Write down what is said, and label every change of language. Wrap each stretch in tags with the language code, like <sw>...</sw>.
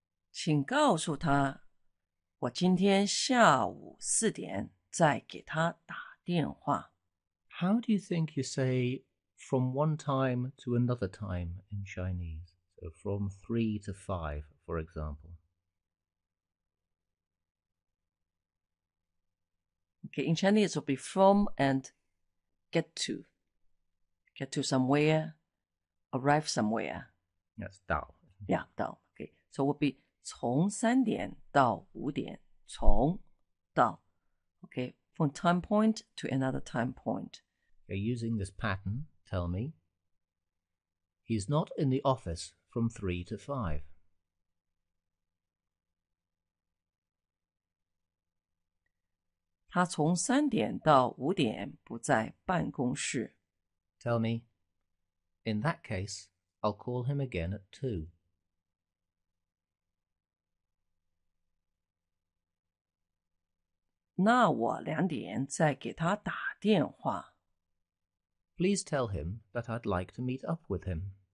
<zh>请告诉他我今天下午四点再给他打电话。</zh> <en>How do you think you say from one time to another time in Chinese? So from 3 to 5, for example. Okay, in Chinese it would be from and get to somewhere, arrive somewhere. That's 到。 Yeah, 到。Okay, so it would be...</en> <zh>从三点到五点，</zh> <en>从到 ，okay, from time point to another time point. Okay, using this pattern, tell me. He's not in the office from 3 to 5.</en> <zh>他从三点到五点不在办公室。</zh> <en>Tell me, in that case, I'll call him again at 2.</en> <zh>那我两点再给他打电话。</zh> <en>Please tell him that I'd like to meet up with him.</en>